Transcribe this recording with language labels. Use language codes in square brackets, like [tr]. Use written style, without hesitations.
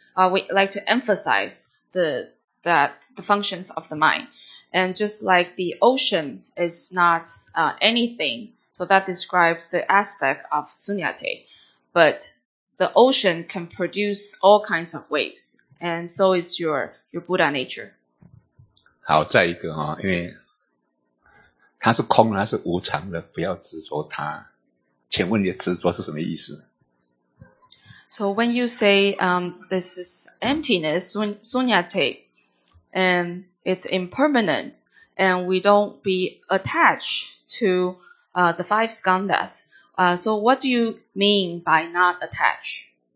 [en] We like to emphasize the functions of the mind. And just like the ocean is not anything, so that describes the aspect of sunyata. But the ocean can produce all kinds of waves, and so is your Buddha nature. [zh] 好，再一个，因为它是空的，它是无常的，不要执着它。请问你的执着是什么意思？ [en] So when you say this is emptiness, sunyata, and it's impermanent, and we don't be attached to the five skandhas,So what do you mean by not attach?